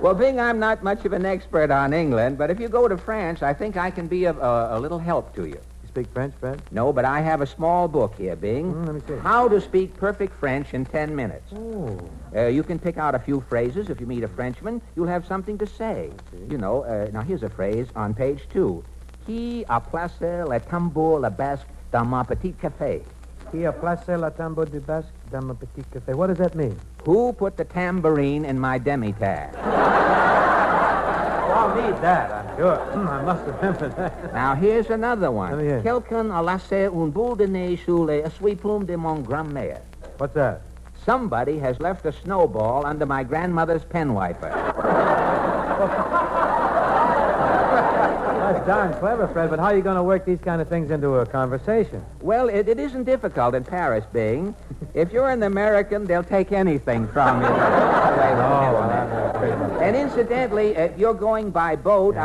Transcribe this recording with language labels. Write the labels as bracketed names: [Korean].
[English] Well, Bing, I'm not much of an expert on England, but if you go to France, I think I can be of a little help to you. You speak French, Fred? No, but I have a small book here, Bing. Mm, let me see. How to Speak Perfect French in 10 Minutes. Oh. You can pick out a few phrases. If you meet a Frenchman, you'll have something to say. You know, now here's a phrase on page 2. [French] Qui a placé le tambour de basque dans mon petit café? Qui a placé le tambour de basque dans mon petit café? [English] What does that mean? Who put the tambourine in my demi-tasse? Well, I'll need that, I'm sure. I must remember that. Now, here's another one. Let me hear. [French] Quelqu'un a laissé un boule de neige sous les essuie-plumes de mon grand-mère. [English] What's that? Somebody has left a snowball under my grandmother's pen wiper. That's darn clever, Fred, but how are you going to work these kind of things into a conversation? Well, it isn't difficult in Paris, Bing. If you're an American, they'll take anything from you. And incidentally, if you're going by boat, yes.